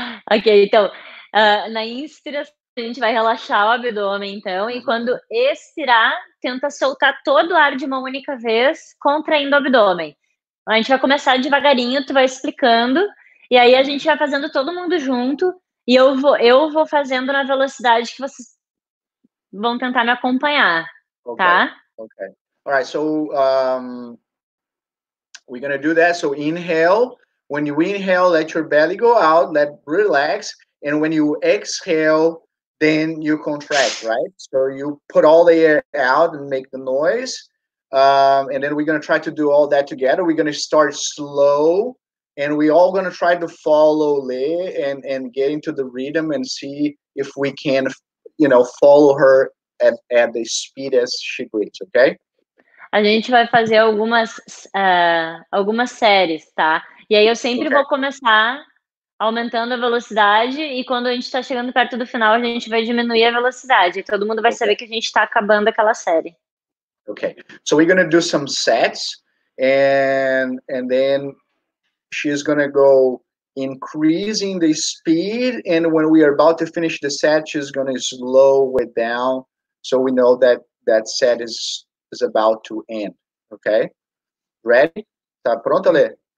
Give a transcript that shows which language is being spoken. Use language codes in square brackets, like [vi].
[pt] Ok, então, na inspiração, a gente vai relaxar o abdômen, então, e quando expirar, tenta soltar todo o ar de uma única vez, contraindo o abdômen. A gente vai começar devagarinho, tu vai explicando, e aí a gente vai fazendo todo mundo junto, e eu vou fazendo na velocidade que vocês vão tentar me acompanhar, okay, tá? [en] Ok. All right, so we're gonna do that. So inhale, when you inhale, let your belly go out, let relax, and when you exhale, then you contract, right? So you put all the air out and make the noise. And then we're gonna try to do all that together. We're gonna start slow, and we're all gonna try to follow Le and get into the rhythm and see if we can, you know, follow her at the speed as she breathes, okay? [pt] A gente vai fazer algumas séries, tá? E aí eu sempre okay. vou começar aumentando a velocidade, e quando a gente está chegando perto do final, a gente vai diminuir a velocidade. Todo mundo vai okay. saber que a gente está acabando aquela série. Okay. [en] So we're gonna do some sets, and then she's gonna go increasing the speed, and when we are about to finish the set, she's gonna slow it down, so we know that that set is about to end. Okay. Ready? [pt] Tá pronto, Lê?